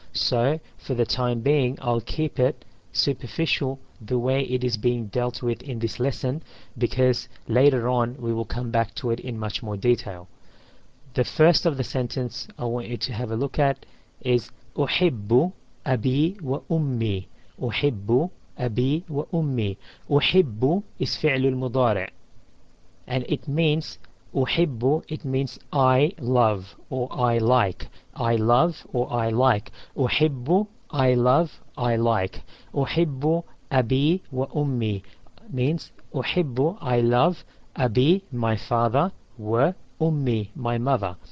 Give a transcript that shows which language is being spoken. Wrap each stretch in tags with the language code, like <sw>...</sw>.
<en>So for the time being, I'll keep it superficial the way it is being dealt with in this lesson, because later on we will come back to it in much more detail. The first of the sentence I want you to have a look at is uhibbu</en> <ar>أبي وأمي. أحب أبي وأمي. أحب is فعل المضارع.</ar> <en>And it means أحب, it means I love or I like. I love or I like. أحب, I love, I like.</en> <ar>أحب أبي وأمي</ar> <en>means أحب, I love, أبي, my father, وأمي, my mother.</en>